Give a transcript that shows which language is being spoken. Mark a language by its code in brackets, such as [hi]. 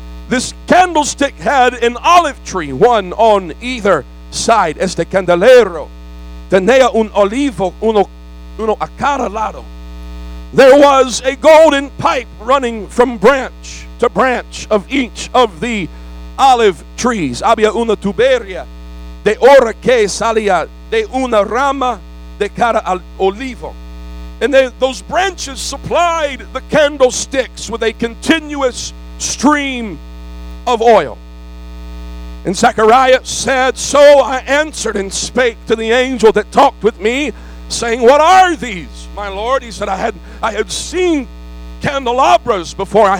[en] This candlestick had an olive tree, one on either side. [es] Este candelero tenía un olivo, uno a cada lado. [en] There was a golden pipe running from branch to branch of each of the olive trees. [es] Había una tubería de oro que salía de una rama de cada olivo. [en] And those branches supplied the candlesticks with a continuous stream of oil. And Zechariah said, "So I answered and spake to the angel that talked with me, saying, 'What are these, my Lord?' He said, I had seen candelabras before.